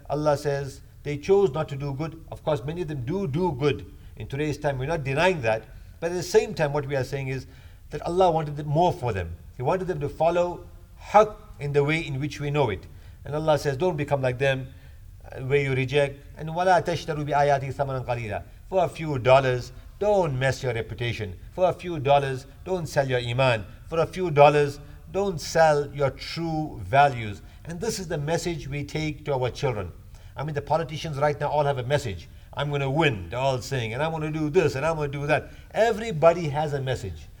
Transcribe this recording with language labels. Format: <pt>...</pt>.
<en>Allah says they chose not to do good. Of course, many of them do good in today's time. We're not denying that. But at the same time, what we are saying is that Allah wanted more for them. He wanted them to follow Haqq in the way in which we know it. And Allah says, don't become like them, where you reject. And</en> <ar>وَلَا تَشْتَرُوا بِآيَاتِ ثَمَنًا قَلِيلًا.</ar> <en>For a few dollars, don't mess your reputation. For a few dollars, don't sell your iman. For a few dollars, don't sell your true values. And this is the message we take to our children. I mean, the politicians right now all have a message. I'm going to win, they're all saying, and I'm going to do this, and I'm going to do that. Everybody has a message.</en>